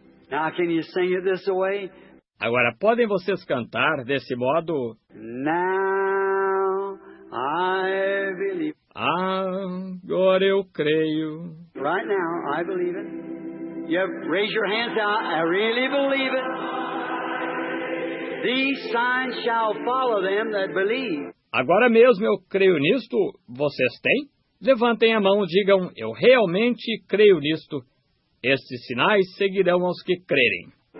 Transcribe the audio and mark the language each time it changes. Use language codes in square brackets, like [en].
[en] Now can you sing it this way? [pt] Agora podem vocês cantar desse modo? [en] Now I believe. [pt] Agora eu creio. [en] Right now I believe it. You have, raise your hands out. I really believe it. These signs shall follow them that believe. [pt] Agora mesmo eu creio nisto. Vocês têm? Levantem a mão e digam: eu realmente creio nisto. Estes sinais seguirão aos que crerem.